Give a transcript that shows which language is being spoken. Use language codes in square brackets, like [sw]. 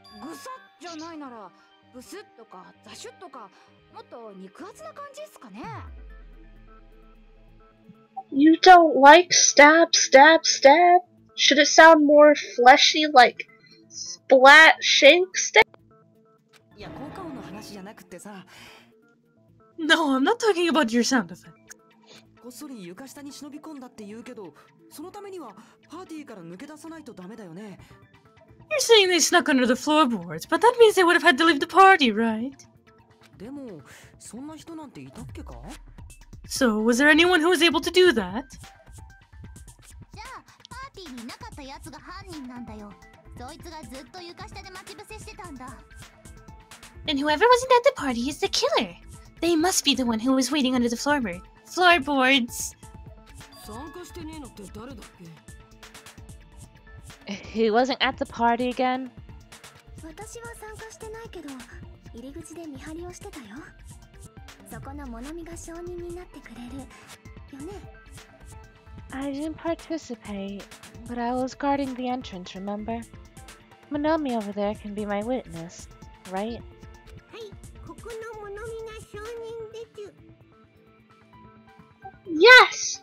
[ja] ぐさっじゃないなら、ブスッとかザシュッとか、もっと肉厚な感じですかね。 [en] You don't like stab, stab, stab? Should it sound more fleshy, like splat, shank, stab? [ja] いや、効果音の話じゃなくてさ。 [en] No, I'm not talking about your sound effect. [ja] こっそり床下に忍び込んだって言うけど、そのためにはパーティーから抜け出さないとダメだよね。 [en] You're saying they snuck under the floorboards, but that means they would have had to leave the party, right? [ja] でも、そんな人なんていたっけか? [en] So, was there anyone who was able to do that? [ja] じゃあ、パーティーにいなかったやつが犯人なんだよ。そいつがずっと床下で待ち伏せしてたんだ。 [en] Then whoever wasn't at the party is the killer. They must be the one who was waiting under the floorboard. Floorboards! [ja] 参加してねえのって誰だっけ? [en] He wasn't at the party again? [ja] 私は参加してないけど、入り口で見張りをしてたよ。そこの物見が証人になってくれる、よね? [en] I didn't participate, but I was guarding the entrance, remember? Monomi over there can be my witness, right? [ja] はい、ここの物見が証人です。